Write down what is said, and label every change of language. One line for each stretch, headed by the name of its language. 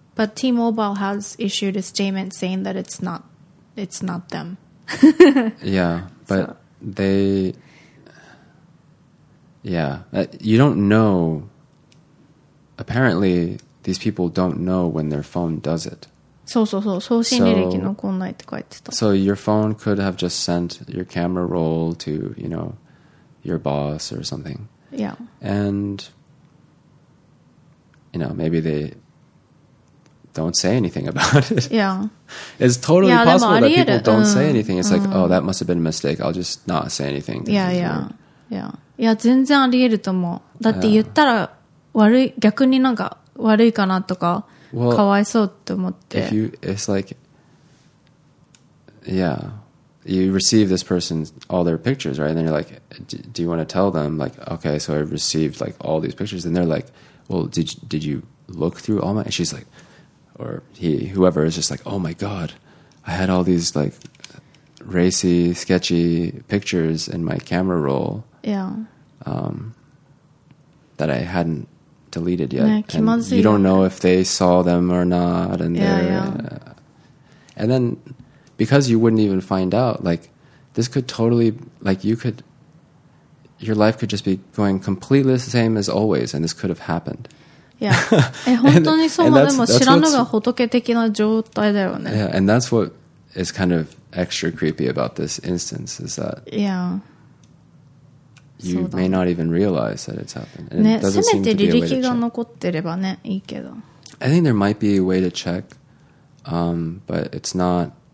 English: But T-Mobile has issued a statement saying that it's not them. Yeah, but so. They... Yeah, you don't know... Apparently, these people don't know when their phone does it.
Japanese: そうそうそう、送信履歴残んないって書いてた。
English: So your phone could have just sent your camera roll to, you know... your boss or something. Yeah. And, you know, maybe they don't say anything about it. Yeah. It's totally yeah, possible that people don't say anything. It's like, oh, that must have been a mistake. I'll just not say anything. Yeah, yeah. Yeah. Yeah,
Japanese: 全然ありえると思う。だって言ったら悪い、逆になんか悪いかなとか、well, かわいそうって思って。
English: If you, it's like, yeah. You receive this person all their pictures, right? And then you're like, do you want to tell them? Like, okay, so I received like all these pictures. And they're like, well, did you look through all my... And she's like, or he, whoever is just like, oh my God, I had all these like racy, sketchy pictures in my camera roll. Yeah. That I hadn't deleted yet. And you don't know if they saw them or not. And and then... Because you wouldn't even find out, like, this could totally, like, you could, your life could just be going completely the same as always, and this could have happened. Yeah.
Japanese: 本当にそうなの、知らぬが仏的な状態だよね。
English: Yeah, and that's what is kind of extra creepy about this instance, is that yeah. you may not even realize that it's happened. And、ね、it doesn't seem to be a way to check.
Japanese: せめて履歴が残ってればね、いいけど。
English: I think there might be a way to check, but it's not...